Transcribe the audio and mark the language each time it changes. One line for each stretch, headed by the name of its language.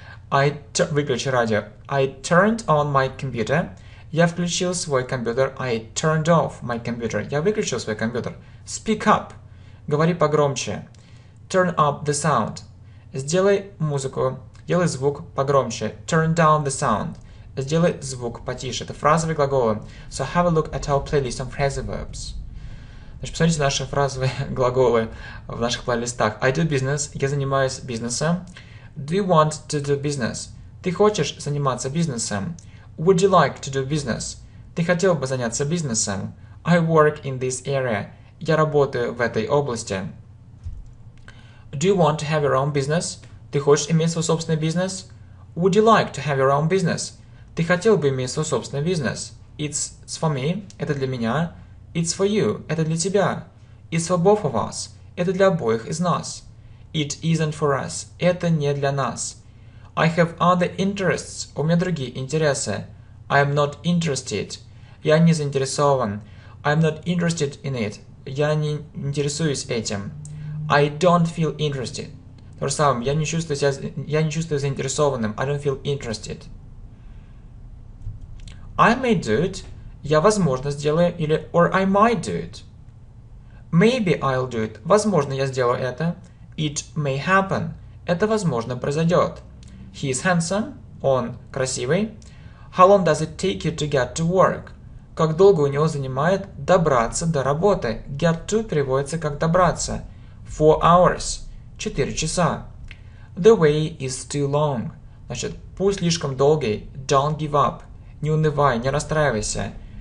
Russian: Выключи радио.
English: I turned on my computer.
Russian: Я включил свой компьютер.
English: I turned off my computer.
Russian: Я выключил свой компьютер.
English: Speak up.
Russian: Говори погромче.
English: Turn up the sound.
Russian: Сделай музыку, сделай звук погромче.
English: Turn down the sound.
Russian: Сделай звук потише. Это фразовые глаголы.
English: So have a look at our playlist on phrasal verbs.
Russian: Значит, посмотрите наши фразовые глаголы в наших плейлистах.
English: I do business.
Russian: Я занимаюсь бизнесом.
English: Do you want to do business?
Russian: Ты хочешь заниматься бизнесом?
English: Would you like to do business?
Russian: Ты хотел бы заняться бизнесом?
English: I work in this area.
Russian: Я работаю в этой области.
English: Do you want to have your own business?
Russian: Ты хочешь иметь свой собственный бизнес?
English: Would you like to have your own business?
Russian: Ты хотел бы иметь свой собственный бизнес?
English: It's for me.
Russian: Это для меня.
English: It's for you.
Russian: Это для тебя.
English: It's for both of us.
Russian: Это для обоих из нас.
English: It isn't for us.
Russian: Это не для нас.
English: I have other interests.
Russian: У меня другие интересы.
English: I am not interested.
Russian: Я не заинтересован.
English: I am not interested in it.
Russian: Я не интересуюсь этим.
English: I don't feel interested.
Russian: То же самое. Я не чувствую заинтересованным.
English: I don't feel interested. I may do it.
Russian: Я, возможно, сделаю. Или
English: or I might do it. Maybe I'll do it.
Russian: Возможно, я сделаю это.
English: It may happen.
Russian: Это, возможно, произойдет.
English: He is handsome.
Russian: Он красивый.
English: How long does it take you to get to work?
Russian: Как долго у него занимает добраться до работы? Get to переводится как добраться.
English: 4 hours.
Russian: 4 часа.
English: The way is too long.
Russian: Значит, путь слишком долгий.
English: Don't give up.
Russian: Не унывай, не расстраивайся.